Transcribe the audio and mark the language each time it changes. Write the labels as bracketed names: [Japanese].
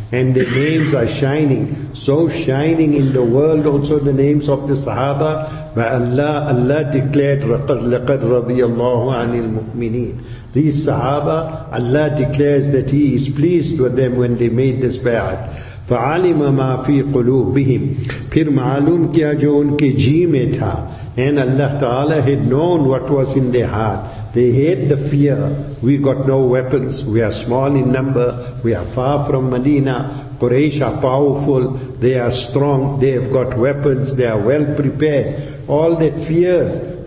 [English] And their names are shining, so shining in the world also the names of the Sahaba. But Allah declared, [Arabic] لَقَدْ رَضِيَ اللَّهُ عَنِ الْمُؤْمِنِينَ. These Sahaba, Allah declares that He is pleased with them when they made this bayat. فَعَلِمَ مَا فِي قُلُوبِهِمْ. [Urdu] پھر معلوم کیا جو ان کے جی میں تھا. [English] And Allah Ta'ala had known what was in their heart. They had the fear. We got no weapons. We are small in number. We are far from Medina. Quraysh are powerful. They are strong. They have got weapons. They are well prepared. All that fears.